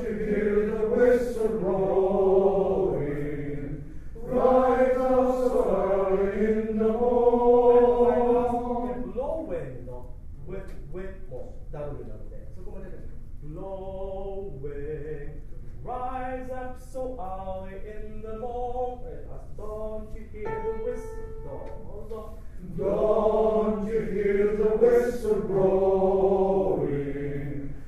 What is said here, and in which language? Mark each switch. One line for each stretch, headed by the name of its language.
English: Don't you hear the whistle blowing? Right out so early in the morning.
Japanese: Blowing のウィッウィッもダブルダブル。
English: Blowing, rise up so early in the morning. Don't you hear the whistle? Don't you hear the whistle blowing?